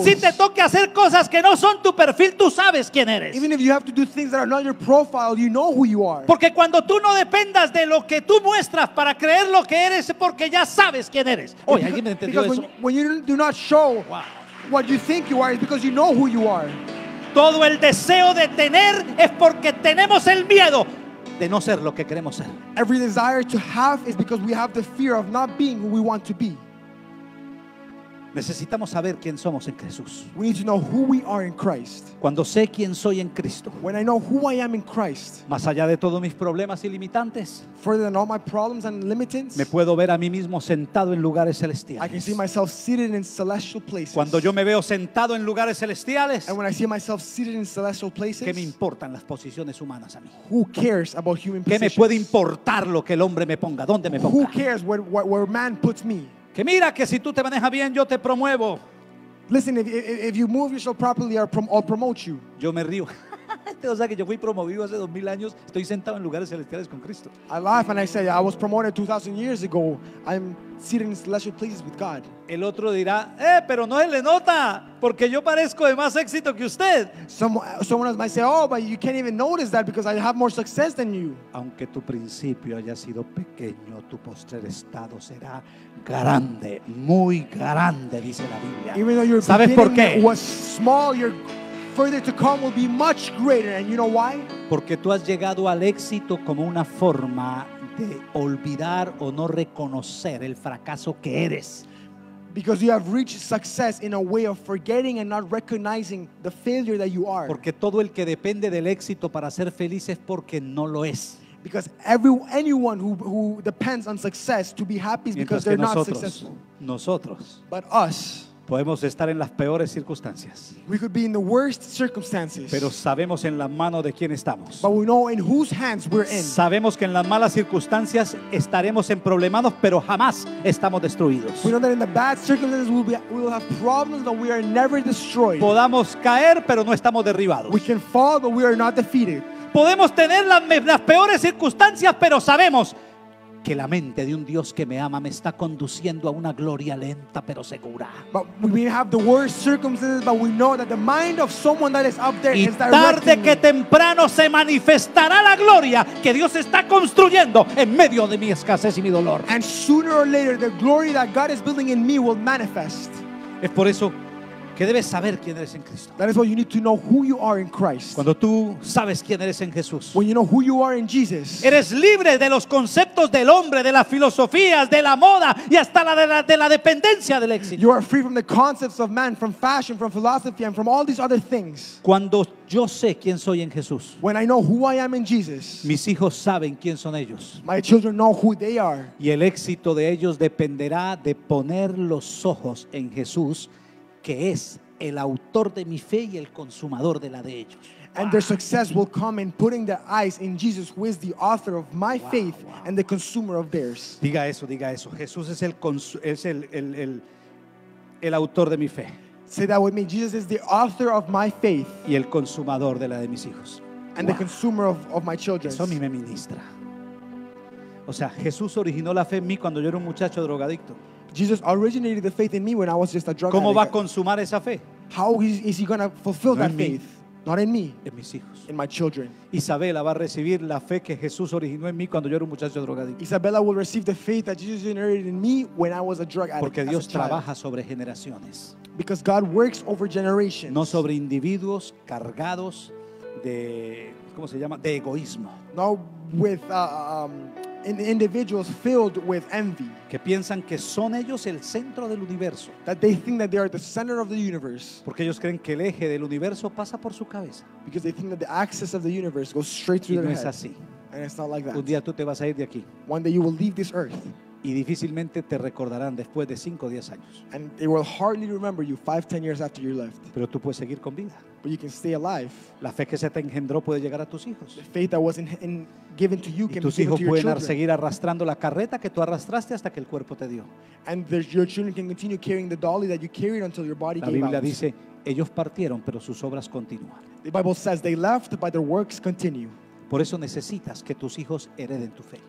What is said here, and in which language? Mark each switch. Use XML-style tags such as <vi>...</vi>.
<es>Así te toque hacer cosas que no son tu perfil, tú sabes quién eres.</es> <en>Even if you have to do things that are not your profile, you know who you are.</en> <es>Porque cuando tú no dependas de lo que tú muestras para creer lo que eres, porque ya sabes quién eres. Oye, alguien me entendió</es> <en>because</en> <es>eso.</es> <en>When you do not show what you think you are is because you know who you are.</en> <es>Todo el deseo de tener es porque tenemos el miedo de no ser lo que queremos ser.</es> <en>Every desire to have is because we have the fear of not being who we want to be.</en> <es>Necesitamos saber quién somos en Jesús.</es> <en>We need to know who we are in Christ.</en> <es>Cuando sé quién soy en Cristo,</es> <en>when I know who I am in Christ,</en> <es>más allá de todos mis problemas y limitantes,</es> <en>further than all my problems and limitations,</en> <es>me puedo ver a mí mismo sentado en lugares celestiales.</es> <en>I can see myself seated in celestial places.</en> <es>Cuando yo me veo sentado en lugares celestiales,</es> <en>and when I see myself seated in celestial places,</en> <es>¿qué me importan las posiciones humanas a mí?</es> <en>Who cares about human positions?</en> <es>¿Qué me puede importar lo que el hombre me ponga, dónde me ponga?</es> <en>Who cares where man puts me?</en> <es>Que mira que si tú te manejas bien yo te promuevo.</es> <en>Listen, if you move yourself properly I'll promote you.</en> <es>Yo me río. O sea que yo fui promovido hace 2000 años, estoy sentado en lugares celestiales con Cristo.</es> <en>I laugh and I say I was promoted 2000 years ago. I'm sitting in celestial places with God.</en> <es>El otro dirá, pero no se le nota porque yo parezco de más éxito que usted.</es> <en>Someone else might say, oh, but you can't even notice that because I have more success than you.</en> <es>Aunque tu principio haya sido pequeño, tu postrer estado será grande, muy grande, dice la Biblia.</es> <en>Even though your</en> <es>¿sabes por qué?</es> <en>Was small, your further to come will be much greater. And you know why?</en> <es>Porque tú has llegado al éxito como una forma de olvidar o no reconocer el fracaso que eres.</es> <en>Because you have reached success in a way of forgetting and not recognizing the failure that you are.</en> <es>Porque todo el que depende del éxito para ser feliz es porque no lo es.</es> <en>Because anyone who depends on success to be happy is because they're not successful.</en> <es>Nosotros.</es> <en>But us.</en> <es>Podemos estar en las peores circunstancias.</es> <en>We could be in the worst circumstances.</en> <es>Pero sabemos en la mano de quién estamos.</es> <en>But we know in whose hands we're in.</en> <es>Sabemos que en las malas circunstancias estaremos en problemados, pero jamás estamos destruidos.</es> <en>We know that in the bad circumstances we will have problems, but we are never destroyed.</en> <es>Podamos caer, pero no estamos derribados.</es> <en>We can fall, but we are not defeated.</en> <es>Podemos tener las peores circunstancias, pero sabemos que la mente de un Dios que me ama me está conduciendo a una gloria lenta pero segura.</es> <en>But we may have the worst circumstances, but we know that the mind of someone that is up there</en> <es>y</es> <en>is directing.</en> <es>Y tarde que temprano se manifestará la gloria que Dios está construyendo en medio de mi escasez y mi dolor.</es> <en>And sooner or later, the glory that God is building in me will manifest.</en> <es>Es por eso que debes saber quién eres en Cristo.</es> <en>That is why you need to know who you are in Christ.</en> <es>Cuando tú sabes quién eres en Jesús,</es> <en>when you know who you are in Jesus,</en> <es>eres libre de los conceptos del hombre, de las filosofías, de la moda y hasta la dependencia del éxito.</es> <en>You are free from the concepts of man, from fashion, from philosophy, and from all these other things.</en> <es>Cuando yo sé quién soy en Jesús,</es> <en>when I know who I am in Jesus,</en> <es>mis hijos saben quién son ellos.</es> <en>My children know who they are.</en> <es>Y el éxito de ellos dependerá de poner los ojos en Jesús, que es el autor de mi fe y el consumador de la de ellos.</es> <en>And their success will come in putting their eyes in Jesus, who is the author of my faith and the consumer of theirs.</en> <es>Diga eso. Jesús es el autor de mi fe.</es> <en>Say that with me. Jesus is the author of my faith.</en> <es>Y el consumador de la de mis hijos.</es> <en>And the consumer of my children.</en> <es>Eso a mí me ministra. O sea, Jesús originó la fe en mí cuando yo era un muchacho drogadicto.</es> <en>Jesus originated the faith in me when I was just a drug</en> <es>¿cómo</es> <en>addict?</en> <es>Va a consumar esa fe?</es> <en>How is he going to fulfill</en> <es>no</es> <en>that faith?</en> <es>Mí.</es> <en>Not in me.</en> <es>En mis hijos.</es> <en>In my children.</en> <es>Isabella va a recibir la fe que Jesús originó en mí cuando yo era un muchacho drogadicto.</es> <en>Isabella will receive the faith that Jesus generated in me when I was a drug addict.</en> <es>Porque Dios trabaja sobre generaciones.</es> <en>Because God works over generations.</en> <es>No sobre individuos cargados de ¿cómo se llama? De egoísmo.</es> <en>No with individuals filled with envy,</en> <es>que piensan que son ellos el centro del universo,</es> <en>that they think that they are the center of the universe,</en> <es>porque ellos creen que el eje del universo pasa por su cabeza,</es> <en>because they think that the axis of the universe goes straight through</en> <es>y no</es> <en>their</en> <es>es</es> <en>head.</en> <es>Así.</es> <en>And it's not like that.</en> <es>Un día tú te vas a ir de aquí.</es> <en>One day you will leave this earth.</en> <es>Y difícilmente te recordarán después de 5 o 10 años.</es> <en>And they will hardly remember you 5-10 years after you left.</en> <es>Pero tú puedes seguir con vida.</es> <en>But you can stay alive.</en> <es>La fe que se te engendró puede llegar a tus hijos.</es> <en>The faith that was in given to you</en> <es>y</es> <en>can</en> <es>tus hijos</es> <en>to your</en> <es>pueden</es> <en>children.</en> <es>Seguir arrastrando la carreta que tú arrastraste hasta que el cuerpo te dio.</es> <en>And your children can continue carrying the dolly that you carried until your body</en> <es>la</es> <en>came out.</en> <es>La Biblia dice, ellos partieron, pero sus obras continúan.</es> <en>The Bible says they left, but their works continue.</en> <es>Por eso necesitas que tus hijos hereden tu fe.</es>